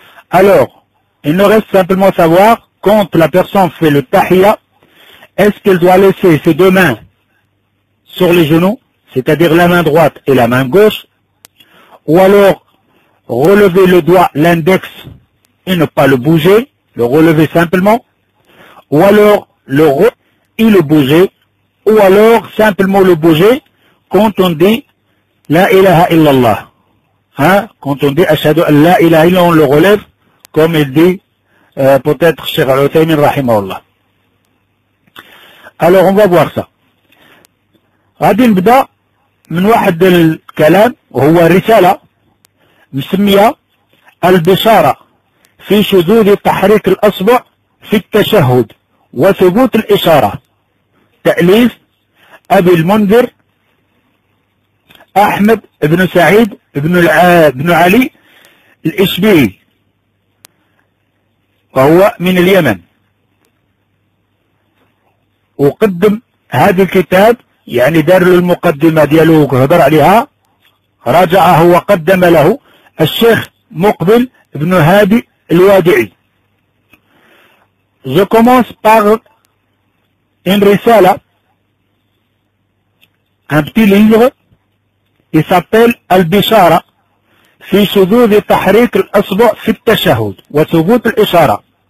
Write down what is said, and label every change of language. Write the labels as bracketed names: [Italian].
[French] Alors, il nous reste simplement savoir, quand la personne fait le tahiyya, est-ce qu'elle doit laisser ses deux mains sur les genoux, c'est-à-dire la main droite et la main gauche, ou alors relever le doigt, l'index, et ne pas le bouger, le relever simplement, ou alors le et le bouger, ou alors simplement le bouger quand on dit « La ilaha illallah ». Hein, quand on dit Ashhadu an la ilaha illallah, on le relève, comme il dit peut-être Cheikh Al-Uthaymin rahimahullah. Alors on va voir ça. [Arabic] غادي نبدا من واحد الكلام وهو رسالة مسمية البشارة في شذوذ تحريك الأصبع في التشهد وثبوت الإشارة، تأليف أبي المنذر أحمد بن سعيد ابن علي الإشبيلي، وهو من اليمن، وقدم هذا الكتاب، يعني دار له المقدمة ديالو وهضر عليها، رجعه وقدم له الشيخ مقبل بن هادي الوادعي. [French] Je commence par une رسالة، un petit livre. Il s'appelle Al-Bishara, fi shudhudhi tahrik al-asba' fi at-tashahhud wa thubut al-ishara.